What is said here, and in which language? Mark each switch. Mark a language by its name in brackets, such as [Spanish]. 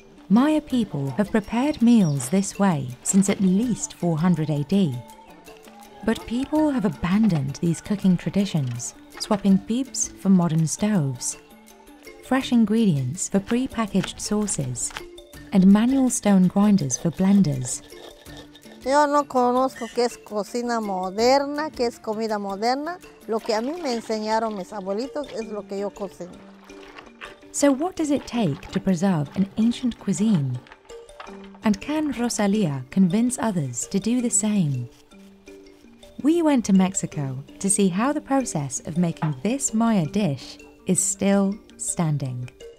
[English] Maya people have prepared meals this way since at least 400 AD. But people have abandoned these cooking traditions, swapping pibs for modern stoves, fresh ingredients for pre-packaged sauces, and manual stone grinders for blenders. [Spanish] Yo no conozco qué es cocina moderna, qué es comida moderna. Lo que a mí me enseñaron mis abuelitos es lo que yo cocino. [English] So what does it take to preserve an ancient cuisine? And can Rosalia convince others to do the same? We went to Mexico to see how the process of making this Maya dish is still standing.